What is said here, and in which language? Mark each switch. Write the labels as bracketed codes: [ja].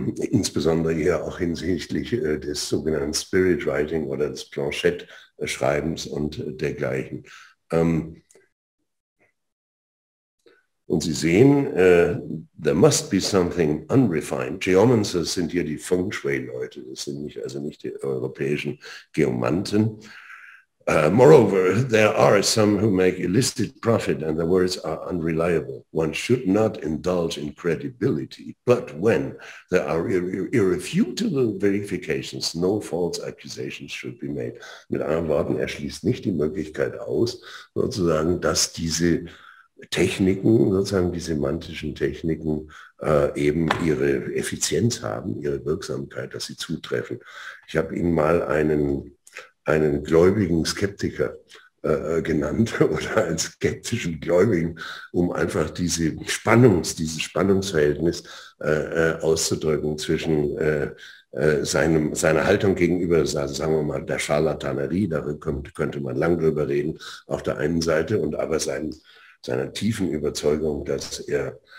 [de] Insbesondere hier auch hinsichtlich des sogenannten Spirit Writing oder des Planchette-Schreibens und dergleichen. Und Sie sehen, [en] there must be something unrefined. [de] Geomancers sind hier die Feng Shui-Leute, das sind nicht die europäischen Geomanten. [en] Moreover, there are some who make illicit profit and the words are unreliable. One should not indulge in credibility, but when there are irrefutable verifications, no false accusations should be made. [de] Mit anderen Worten, er schließt nicht die Möglichkeit aus, sozusagen, dass diese Techniken, sozusagen die semantischen Techniken, eben ihre Effizienz haben, ihre Wirksamkeit, dass sie zutreffen. Ich habe Ihnen mal einen gläubigen Skeptiker genannt oder einen skeptischen Gläubigen, um einfach dieses Spannungsverhältnis auszudrücken zwischen seiner Haltung gegenüber, sagen wir mal, der Scharlatanerie, könnte man lang drüber reden, auf der einen Seite, und aber seiner tiefen Überzeugung, dass er